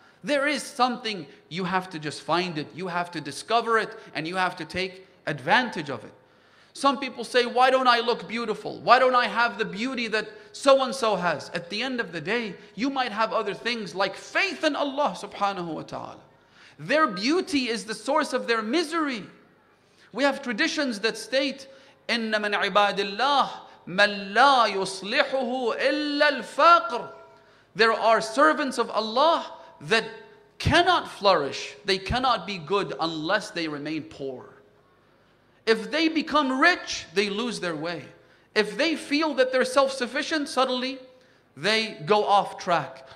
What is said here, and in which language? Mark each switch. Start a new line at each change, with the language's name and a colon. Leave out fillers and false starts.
English: There is something, you have to just find it, you have to discover it, and you have to take advantage of it. Some people say, why don't I look beautiful? Why don't I have the beauty that so-and-so has? At the end of the day, you might have other things like faith in Allah subhanahu wa ta'ala. Their beauty is the source of their misery. We have traditions that state,
Arabic: إِنَّ مَنْ عِبَادِ اللَّهِ مَنْ لَا يُصْلِحُهُ إِلَّا الْفَاقْرِ.
English: There are servants of Allah that cannot flourish. They cannot be good unless they remain poor. If they become rich, they lose their way. If they feel that they're self-sufficient, suddenly they go off track.